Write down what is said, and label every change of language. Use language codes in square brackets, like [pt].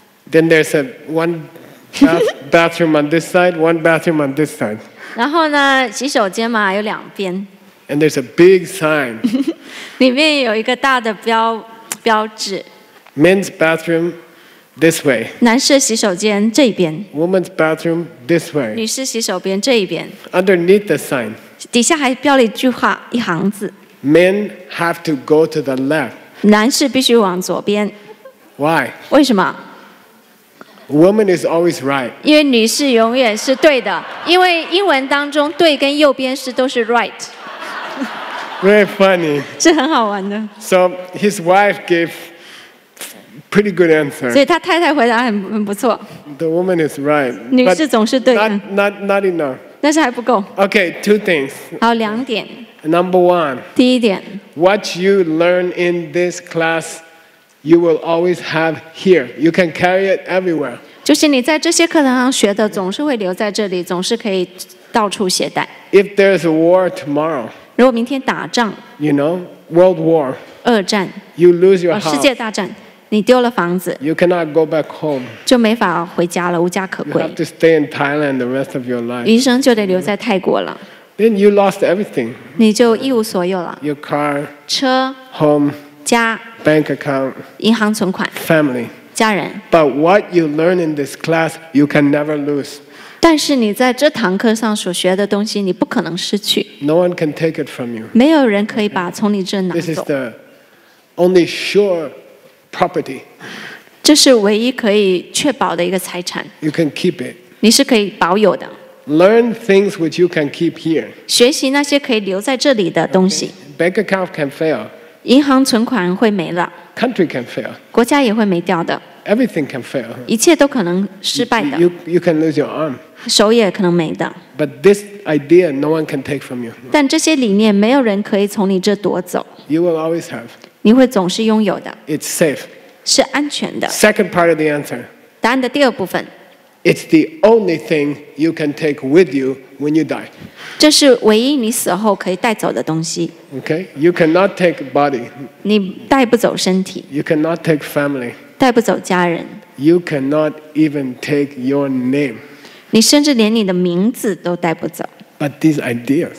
[en] Then there's a one bathroom on this side, one bathroom on this side. [zh] 然后呢，洗手间嘛有两边。 [en] And there's a big sign. [zh] 里面有一个大的标志。 [en] Men's bathroom. This way. [zh] 男士洗手间这一边. [en] Woman's bathroom this way. [zh] 女士洗手边这一边. [en] Underneath the sign. [zh] 底下还标了一句话，一行字. [en] Men have to go to the left. [zh] 男士必须往左边. [en] Why? [zh] 为什么？ [en] Woman is always right. [zh] 因为女士永远是对的.因为英文当中对跟右边是都是 right. [en] Very funny. [zh] 是很好玩的. [en] So his wife gave. Pretty good answer. [zh] 所以他太太回答很不错。 [en] The woman is right. [zh] 女士总是对的。 [en] Not enough. [zh] 但是还不够。 [en] Okay, two things. [zh] 好，两点。 [en] Number one. [zh] 第一点。 [en] What you learn in this class, you will always have here. You can carry it everywhere. [zh] 就是你在这些课堂上学的总是会留在这里，总是可以到处携带。 [en] If there's a war tomorrow, [zh] 如果明天打仗， [en] you know, world war, [zh] 二战， [en] you lose your house, [zh] 世界大战，你丢了房子， [en] you cannot go back home, [zh] 就没法回家了，无家可归。 [en] You have to stay in Thailand the rest of your life, [zh] 余生就得留在泰国了。 [en] Then you lost everything. [zh] 你就一无所有了。 [en] Your car, [zh] 车， [en] home, [zh] 家， [en] bank account, [zh] 银行存款， [en] family, [zh] 家人。 [en] But what you learn in this class, you can never lose. [zh] 但是你在这堂课上所学的东西，你不可能失去。 [en] No one can take it from you. [zh] 没有人可以把从你这拿走。 [en] This is the only sure property. [zh] 这是唯一可以确保的一个财产。 [en] You can keep it. [zh] 你是可以保有的。 [en] Learn things which you can keep here. [zh] 学习那些可以留在这里的东西。 [en] Okay. Bank account can fail. [zh] 银行存款会没了。 [en] Country can fail. [zh] 国家也会没掉的。 [en] Everything can fail. [zh] 一切都可能失败的。 [en] You can lose your arm. [zh] 手也可能没的。 [en] But this idea no one can take from you. [zh] 但这些理念没有人可以从你这夺走。 [en] You will always have. [zh] 你会总是拥有的。 [en] It's safe. [zh] 是安全的。 [en] Second part of the answer. [zh] 答案的第二部分。 [en] It's the only thing you can take with you when you die. [zh] 这是唯一你死后可以带走的东西。 [en] Okay, you cannot take body. [zh] 你带不走身体。 [en] You cannot take family. [zh] 带不走家人。 [en] You cannot even take your name. [zh] 你甚至连你的名字都带不走。 [en] But these ideas.